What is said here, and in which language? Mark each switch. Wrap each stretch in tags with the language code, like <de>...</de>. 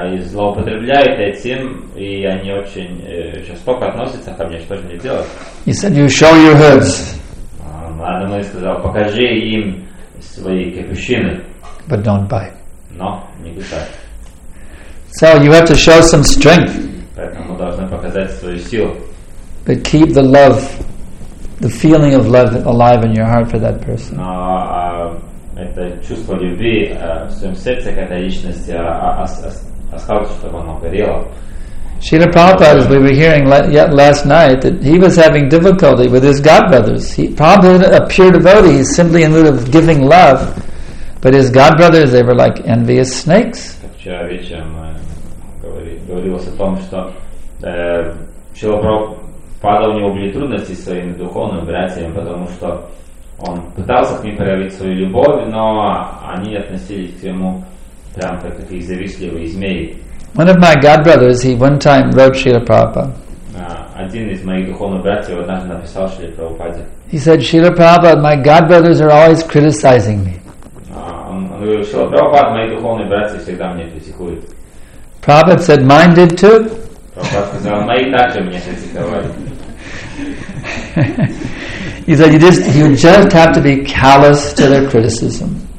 <ru>Злоупотребляют этим, и они очень жестоко относятся ко мне, что же мне делать?</ru> <en>He said, you show your hoods.</en> <ru>Ладно, мы сказал, покажи им свои капюшины.</ru> <en>But don't bite.</en> <ru>Но, не кусай.</ru> <en>So, you have to show some strength.</en> <ru>Поэтому должны показать свою силу.</ru> <en>But keep the love, the feeling of love alive in your heart for that person.</en> <ru>Но, это чувство любви в своем сердце к этой личности осталось, чтобы оно горело.</ru> <en>Srila Prabhupada, as we were hearing last night, that he was having difficulty with his godbrothers. Prabhupada is a pure devotee, he's simply in lieu of giving love, but his godbrothers, they were like envious snakes.</en> <ru>Вчера вечером говорилось о том, что Srila Prabhupada, у него были трудности со своими духовными братьями, потому что он пытался к ним проявить свою любовь, но они относились к нему прям как их завистливые змеи.</ru> <en>One of my godbrothers, he one time wrote Srila Prabhupada.</en> <ru>Один из моих духовных братьев однажды написал Шриле Прабхупаде.</ru> <en>He said, Srila Prabhupada, my godbrothers are always criticizing me.</en> <ru>Он говорил, Шрила Прабхупада, мои духовные братья всегда меня критикуют.</ru> <en>Prabhupada said, mine did too.</en> <ru>Прабхупада сказал, мои также меня критиковали.</ru> <en>He said, you just have to be callous to their criticism.</en>